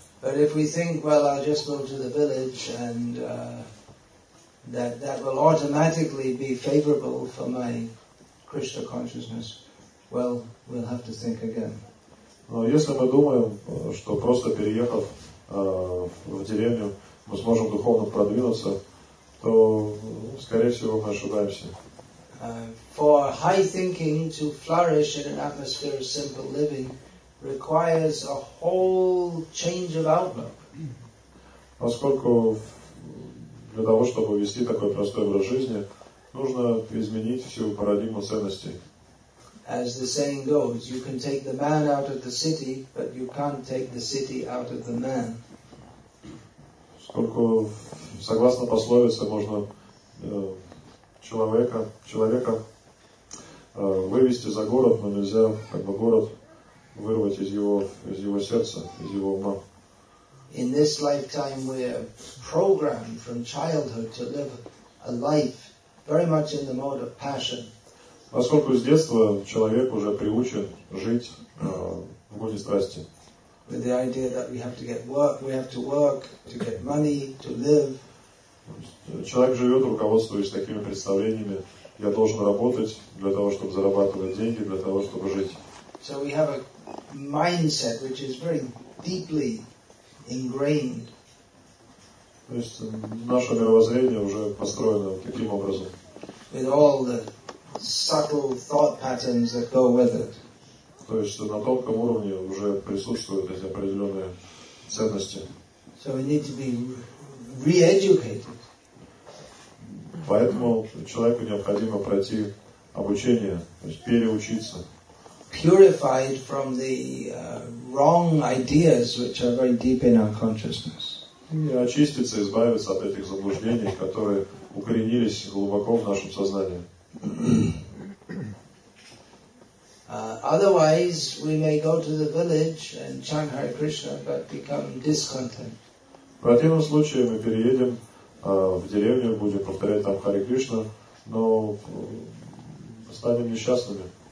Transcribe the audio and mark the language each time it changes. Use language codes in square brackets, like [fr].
[en] But if we think, well, I'll just go to the village and that will automatically be favorable for my Krishna consciousness, well, we'll have to think again. [ru] Но если мы думаем, что просто переехав в деревню, мы сможем духовно продвинуться, то, скорее всего, мы ошибаемся. [en] For high thinking to flourish in an atmosphere of simple living requires a whole change of outlook. [ru] Поскольку для того, чтобы вести такой простой образ жизни, нужно изменить всю парадигму ценностей. [en] As the saying goes, you can take the man out of the city, but you can't take the city out of the man. [ru] Поскольку, согласно пословице, можно человека вывести за город, но нельзя как бы город вырвать из его сердца, из его ума. [en] In this lifetime we are programmed from childhood to live a life very much in the mode of passion. [ru] Поскольку с детства человек уже приучен жить в гоне страсти. [en] With the idea that we have to get work, we have to work to get money, to live. [ru] Человек живет, руководствуясь такими представлениями. Я должен работать для того, чтобы зарабатывать деньги, для того, чтобы жить. [en] So we have a mindset which is very deeply ingrained. [ru] То есть наше мировоззрение уже построено таким образом. [en] With all the subtle thought patterns that go with it. [ru] То есть на тонком уровне уже присутствуют эти определенные ценности. [en] So we need to be re-educated. [ru] Поэтому человеку необходимо пройти обучение, то есть переучиться. [en] Purified from the wrong ideas which are very deep in our consciousness. [ru] И очиститься, избавиться от этих заблуждений, которые укоренились глубоко в нашем сознании. [en] Otherwise, we may go to the village and chant Hare Krishna, but become discontent. [ru] В противном случае мы переедем в деревню, будем повторять там Хари Кришна, но станем несчастными.